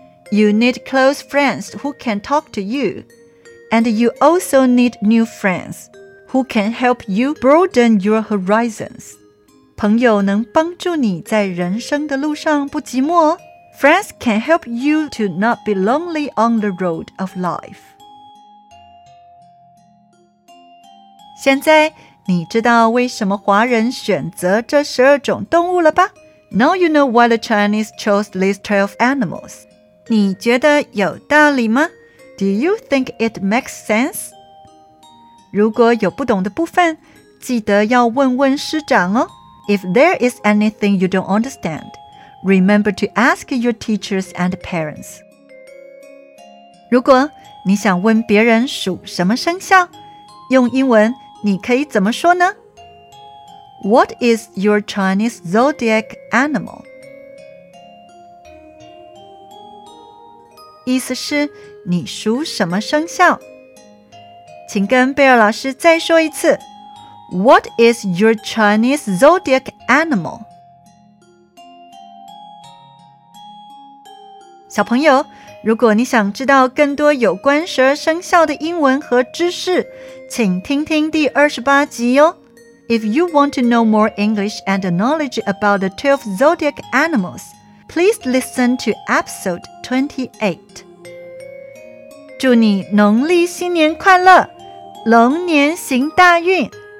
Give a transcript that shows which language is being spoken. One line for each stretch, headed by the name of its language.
English: You need close friends who can talk to you, and you also need new friends who can help you broaden your horizons.
Chinese: 朋友能帮助你在人生的路上不寂寞。
English: Friends can help you to not be lonely on the road of life.
Chinese: 现在你知道为什么华人选择这十二种动物了吧?
English: Now you know why the Chinese chose these 12 animals.
Chinese: 你觉得有道理吗?
English: Do you think it makes sense?
Chinese: 如果有不懂的部分,记得要问问师长哦。
English: If there is anything you don't understand,Remember to ask your teachers and parents.
Chinese: 如果你想问别人属什么生肖，用英文你可以怎么说呢？
English: What is your Chinese zodiac animal?
Chinese: 意思是你属什么生肖？请跟贝尔老师再说一次。
English: What is your Chinese zodiac animal?
Chinese: 小朋友，如果你想知道更多有关十二生肖的英文和知识，请听听第28集哦。
English: If you want to know more English and knowledge about the 12 zodiac animals, please listen to episode 28.
Chinese: 祝你农历新年快乐，龙年行大运。